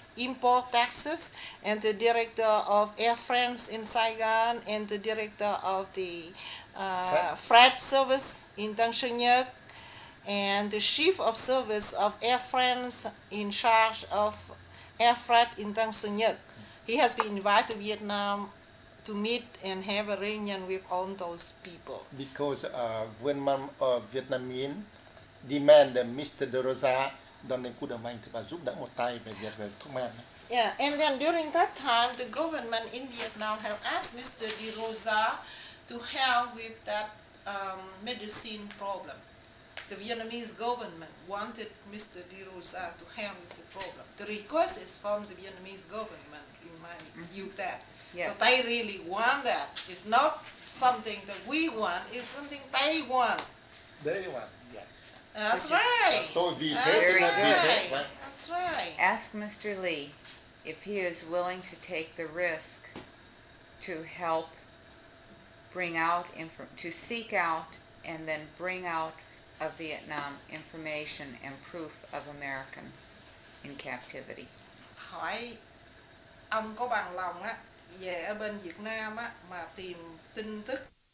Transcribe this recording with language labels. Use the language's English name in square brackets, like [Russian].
[English] Import taxes, and the director of Air France in Saigon, and the director of the freight service in Tân Sơn Nhất, and the chief of service of Air France in charge of air freight in Tân Sơn Nhất. He has been invited to Vietnam to meet and have a reunion with all those people. Because government of Vietnamese demand that Mr. [Vietnamese] De Rosa [English] don't need to make to [Vietnamese] giúp đỡ một tay về việc về thuốc men. [English] Yeah, and then during that time, the government in Vietnam have asked Mr. De Rosa to help with that medicine problem. The Vietnamese government wanted Mr. De Rosa to help with the problem. The request is from the Vietnamese government, remind you that. Yes. So they really want that. It's not something that we want, it's something they want. They want, yeah. That's right. That's right. Ask Mr. Lee if he is willing to take the risk to help bring out, to seek out and then bring out of Vietnam information and proof of Americans in captivity. [Vietnamese] Hỏi ông có bằng lòng á về ở bên Việt Nam á mà tìm tin tức